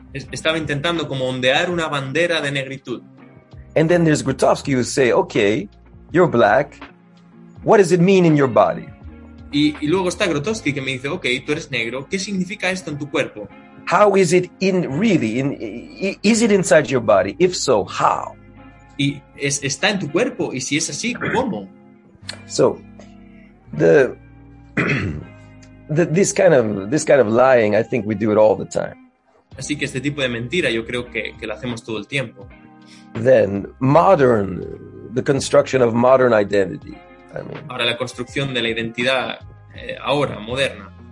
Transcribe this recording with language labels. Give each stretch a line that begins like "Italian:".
Spanish: Estaba intentando como ondear una bandera de negritud.
English: And then there's Grotowski who say, okay, you're black. What does it mean in your body?
Spanish: Y luego está Grotowski que me dice, okay, tú eres negro. ¿Qué significa esto en tu cuerpo?
English: How is it in really? Is it inside your body? If so, how?
Spanish: Y está en tu cuerpo. Y si es así, ¿cómo?
English: So this kind of lying, I think we do it all the time.
Spanish: Así que este tipo de mentira, yo creo que la hacemos todo el tiempo.
English: Then modern, the construction of modern identity.
Spanish: Ahora la construcción de la identidad ahora moderna.